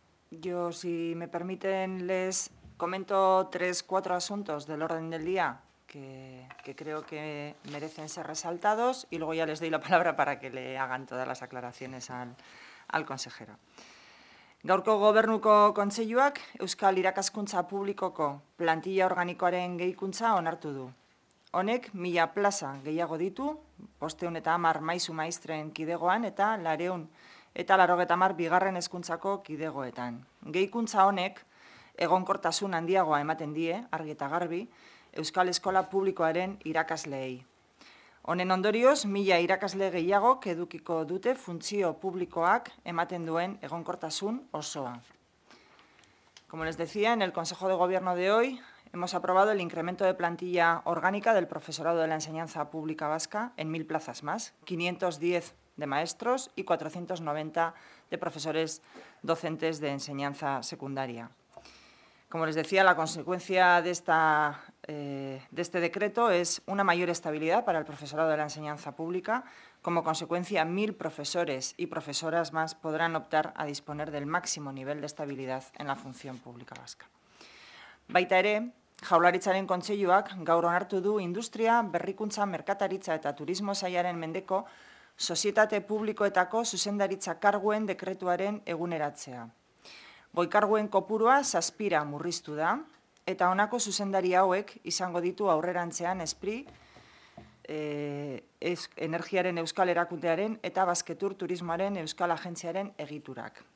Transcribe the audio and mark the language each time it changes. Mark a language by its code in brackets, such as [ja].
[es] Yo, si me permiten, les comento 3-4 asuntos del orden del día que creo que merecen ser resaltados y luego ya les doy la palabra para que le hagan todas las aclaraciones al consejero. [eu] Gaurko gobernuko kontseiluak Euskal Irakaskuntza Publikoko plantilla organikoaren gehikuntza onartu du. Honek 1000 plaza gehiago ditu, 510 maisu maistren kidegoan eta 480 bigarren hezkuntzako kidegoetan. Gehikuntza honek egonkortasun handiagoa ematen die, argi eta garbi, Euskal Eskola Publikoaren irakasleei. Honen ondorioz, 1000 irakasle gehiagok edukiko dute funtzio publikoak ematen duen egonkortasun osoa. [es] Como les decía, en el Consejo de Gobierno de hoy hemos aprobado el incremento de plantilla orgánica del profesorado de la enseñanza pública vasca en 1000 plazas más, 510 de maestros y 490 de profesores docentes de enseñanza secundaria. Como les decía, la consecuencia de este decreto es una mayor estabilidad para el profesorado de la enseñanza pública. Como consecuencia, 1000 profesores y profesoras más podrán optar a disponer del máximo nivel de estabilidad en la función pública vasca. [eu] Baita ere, Jaurlaritzaren kontseiluak gaur onartu du industria, berrikuntza, merkataritza eta turismo sailaren mendeko sozietate publikoetako zuzendaritza karguen dekretuaren eguneratzea. Goikarguen kopurua 7ra murriztu da, eta honako zuzendari hauek izango ditu aurrerantzean Espri, Energiaren Euskal Erakundearen eta Basketur Turismoaren Euskal Agentziaren egiturak.